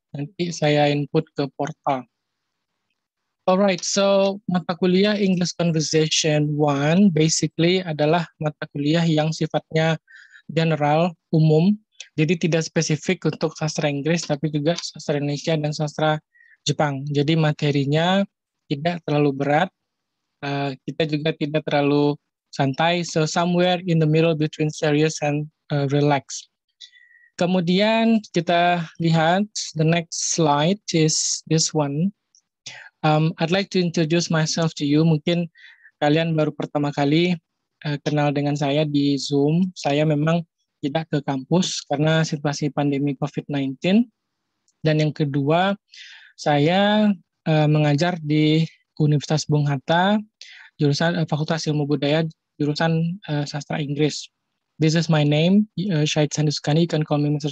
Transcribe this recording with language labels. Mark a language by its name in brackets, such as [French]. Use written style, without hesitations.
[Indonesian] Nanti saya input ke portal. Alright, so mata kuliah English Conversation 1 basically adalah mata kuliah yang sifatnya general, umum. Jadi tidak spesifik untuk sastra Inggris, tapi juga sastra Indonesia dan sastra Jepang. Jadi materinya tidak terlalu berat. Kita juga tidak terlalu santai. [English] So somewhere in the middle between serious and relaxed. [Indonesian] Kemudian kita lihat, [English] the next slide is this one. I'd like to introduce myself to you. [Indonesian] Mungkin kalian baru pertama kali kenal dengan saya di Zoom. Saya memang tidak ke kampus karena situasi pandemi COVID-19. Dan yang kedua, saya mengajar di Universitas Bung Hatta, jurusan Fakultas Ilmu Budaya, jurusan Sastra Inggris. [English] This is my name, Syed Sandi Sukandi, you can call me Mr.